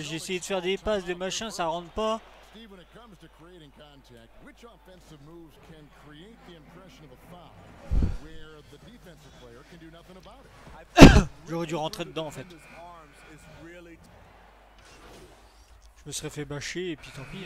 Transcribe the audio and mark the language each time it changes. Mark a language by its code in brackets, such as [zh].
[fr] J'ai essayé de faire des passes, des machins, ça rentre pas. [en] Steve, when it comes to creating contact, which offensive moves can create the impression of a foul where the defensive player can do nothing about it? [fr] J'aurais dû rentrer dedans, en fait. Je me serais fait bâcher et puis tant pis.